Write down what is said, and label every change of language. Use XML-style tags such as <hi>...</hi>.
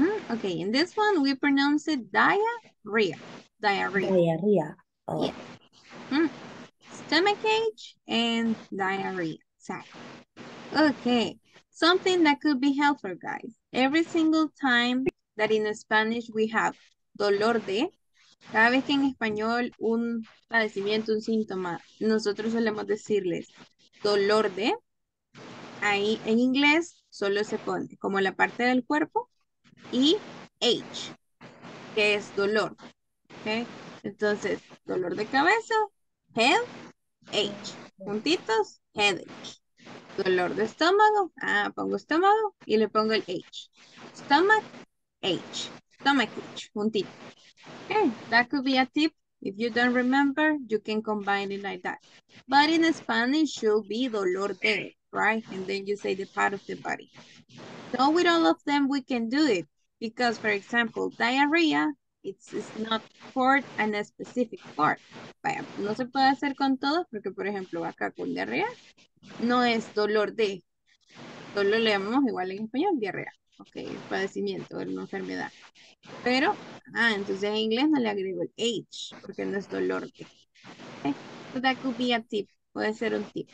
<en>Okay, in this one we pronounce it diarrhea. Diarrhea. Diarrhea. Oh. Yeah. Stomachache and diarrhea. Sorry. Okay, something that could be helpful, guys. Every single time that in Spanish we have</en> <es>dolor de. Cada vez que en español un padecimiento, un síntoma, nosotros solemos decirles dolor de, ahí en inglés solo se pone como la parte del cuerpo y H, que es dolor. ¿Okay? Entonces, dolor de cabeza, head, H, juntitos, headache. Dolor de estómago, pongo estómago y le pongo el H.</es> <en>Stomach, H. Stomach, juntito. Okay, that could be a tip. If you don't remember, you can combine it like that. But in Spanish, should be</en> <es>dolor de,</es> <en>right? And then you say the part of the body. So with all of them, we can do it. Because, for example, diarrhea, It's not for a specific part.</en> <es>Vaya, no se puede hacer con todos porque, por ejemplo, acá con diarrea no es dolor de. Dolor le llamamos igual en español, diarrea. Ok, padecimiento, una enfermedad. Pero, ah, entonces en inglés no le agrego el H porque no es dolor de.</es> <en>Okay. That could be a tip.</en> <es>Puede ser un tip.</es>